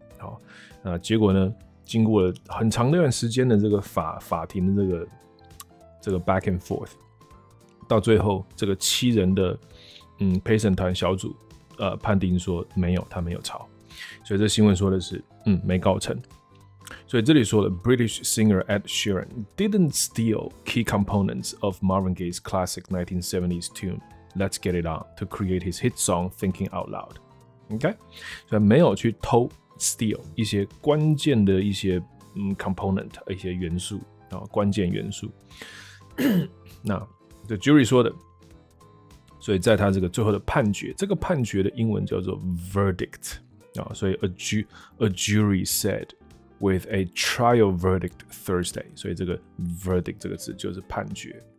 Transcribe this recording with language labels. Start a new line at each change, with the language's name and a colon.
Chinese: 好，那结果呢，经过了很长一段时间的这个法庭的这个
English: back and forth，
Chinese: 到最后这个七人的陪审团小组判定说没有，他没有抄，所以这新闻说的是没告成。所以这里说的
English: British singer Ed Sheeran didn't steal key components of Marvin Gaye's classic 1970s tune Let's Get It On to create his hit song Thinking Out Loud， OK，
Chinese: 所以没有去偷
English: steal
Chinese: 一些关键的一些
English: component
Chinese: 一些元素啊，关键元素。那
English: the jury
Chinese: 说的，所以在他这个最后的判决，这个判决的英文叫做 verdict 啊，所以
English: a jury said with a trial verdict Thursday，
Chinese: 所以这个 verdict 这个字就是判决。